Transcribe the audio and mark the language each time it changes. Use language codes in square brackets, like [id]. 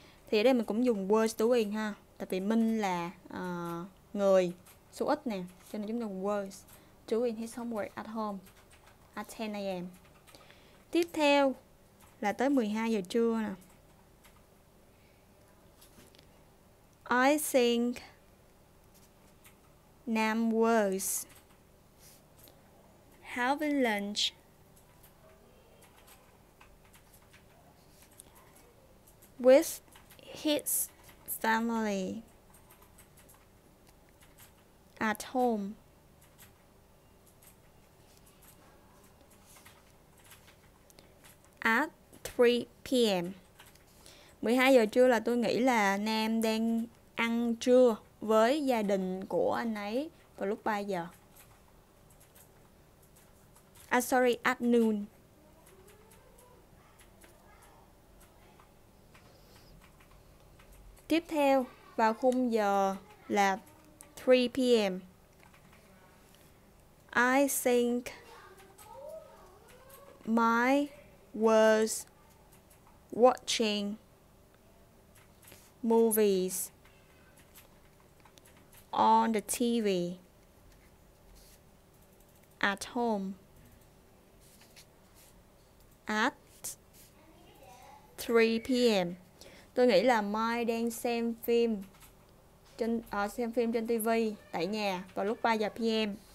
[vi] Thì ở đây mình cũng dùng [en] was doing ha. Tại vì Minh là người số ít nè, cho nên chúng ta dùng was doing his homework at home at 10 a.m. [vi] Tiếp theo là tới 12 giờ trưa nè. [en] I think Nam was having lunch with his family at home at 3 p.m. [vi] 12 giờ trưa là tôi nghĩ là Nam đang ăn trưa với gia đình của anh ấy vào lúc 3 giờ. [en] At noon. [vi] Tiếp theo vào khung giờ là 3 p.m. [en] I think Mai was watching movies on the TV at home at 3 p.m. [vi] Tôi nghĩ là Mai đang xem phim trên TV tại nhà vào lúc 3 giờ p.m.